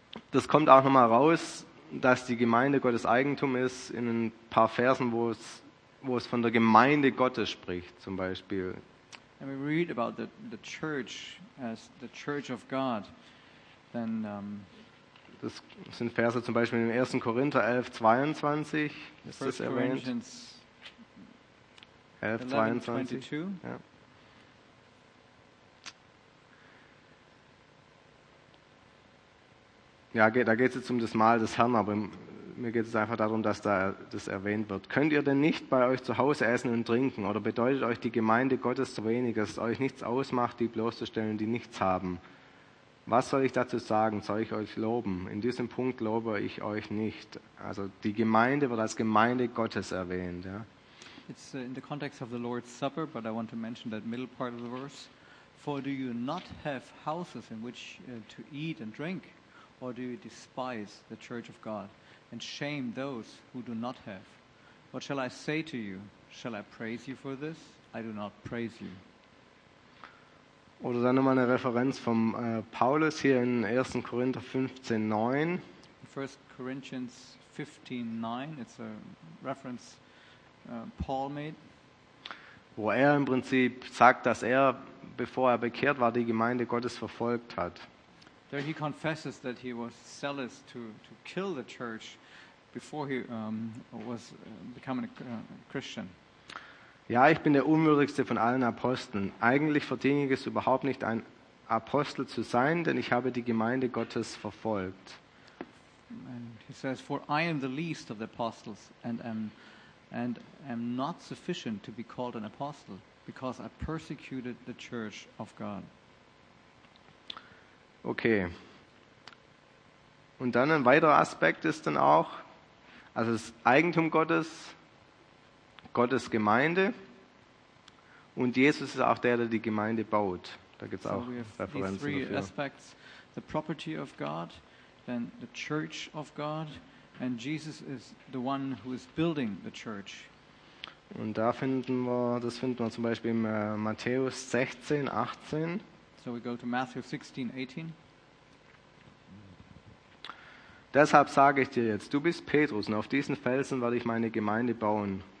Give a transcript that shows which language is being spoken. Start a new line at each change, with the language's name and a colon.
German: Das kommt auch nochmal raus, dass die Gemeinde Gottes Eigentum ist, in ein paar Versen, wo es von der Gemeinde Gottes spricht, zum Beispiel.
English: And we read about the church as the church of God. Then,
German: das sind Verse zum Beispiel in 1. Korinther 11, 22. Ist das erwähnt? 11, 22. 11, 22. Ja. Ja, da geht es jetzt um das Mahl des Herrn, aber mir geht es einfach darum, dass da das erwähnt wird. Könnt ihr denn nicht bei euch zu Hause essen und trinken? Oder bedeutet euch die Gemeinde Gottes zu wenig, dass es euch nichts ausmacht, die bloßzustellen, die nichts haben? Was soll ich dazu sagen? Soll ich euch loben? In diesem Punkt lobe ich euch nicht. Also die Gemeinde wird als Gemeinde Gottes erwähnt. Ja.
English: It's in the context of the Lord's Supper, but I want to mention that middle part of the verse. For do you not have houses in which to eat and drink? Or do you despise the church of God and shame those who do not have? What shall I say to you? Shall I praise you for this? I do not praise you.
German: Oder dann nochmal eine Referenz vom Paulus hier in 1. Korinther 15, 9.
English: In 1. Corinthians 15, 9, it's a reference Paul made.
German: Wo er im Prinzip sagt, dass er, bevor er bekehrt war, die Gemeinde Gottes verfolgt hat.
English: There he confesses that he was zealous to kill the church before he was becoming a Christian.
German: Ja, ich bin der unwürdigste von allen Aposteln. Eigentlich verdiene ich es überhaupt nicht, ein Apostel zu sein, denn ich habe die Gemeinde Gottes verfolgt.
English: And he says, for I am the least of the apostles and am not sufficient to be called an apostle, because I persecuted the church of God. Okay.
German: Und dann ein weiterer Aspekt ist dann auch, also das Eigentum Gottes, Gottes Gemeinde, und Jesus ist auch der, der die Gemeinde baut. Da gibt es auch Referenzen dafür.
English: So we have three aspects: the property of God, then the church of God, and Jesus is the one who is building the church.
German: Und da finden wir, das finden wir zum Beispiel im Matthäus 16, 18.
English: So we go to Matthew 16, 18.
German: Deshalb sage ich dir jetzt, du bist Petrus und auf diesen Felsen werde ich meine Gemeinde bauen.